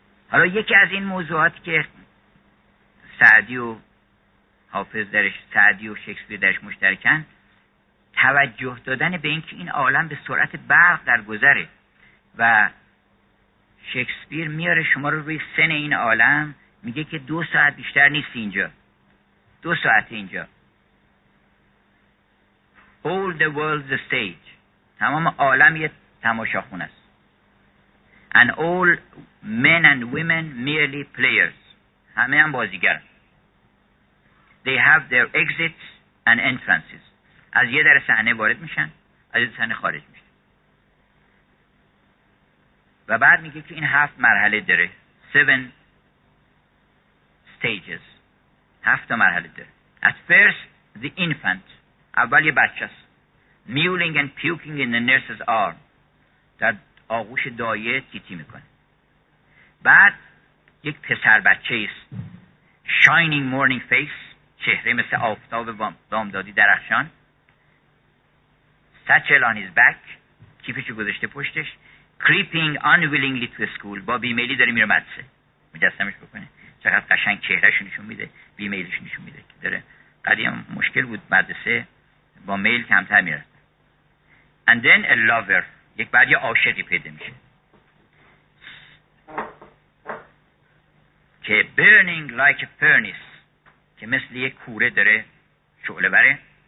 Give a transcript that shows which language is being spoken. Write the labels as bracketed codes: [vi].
[fa] حالا یکی از این موضوعات که سعدی و حافظ درش، سعدی و شکسپیر درش مشترکن، توجه دادن به این که این عالم به سرعت برق در گذره و شکسپیر میاره شما رو روی سن این عالم، میگه که 2 ساعت بیشتر نیست اینجا، 2 ساعت اینجا. [en] All the world's a stage، [fa] تمام عالم یه تماشاخون است. [en] And all men and women merely players، [fa] همه هم بازیگر. [en] They have their exits and entrances، [fa] از یه در صحنه وارد میشن، از یه در صحنه خارج میشن. و بعد میگه که این 7 مرحله داره، [en] 7 stages، [fa] 7 مرحله داره. [en] At first the infant، [fa] اول یه بچه است. [en] Mewling and puking in the nurse's arm، [fa] در آغوش دایه تیتی میکنه. بعد یک پسر بچه است. [en] Shining morning face، [fa] چهره مثل آفتاب بامدادی درخشان. [en] Satchel on his back، [fa] کیفشو گذاشته پشتش. [en] Creeping unwillingly to school، [fa] با بیمیلی داره میره مدرسه. مجسمش بکنه چقدر قشنگ چهرهشو نشون میده، بیمیلش نشون میده که داره. قدیم مشکل بود مدرسه با میل کمتر میره. [en] And then a lover، [fa] یک بعد یه عاشقی پیدا میشه که [en] burning like a furnace، [fa] که مثل یه کوره داره شعله بره.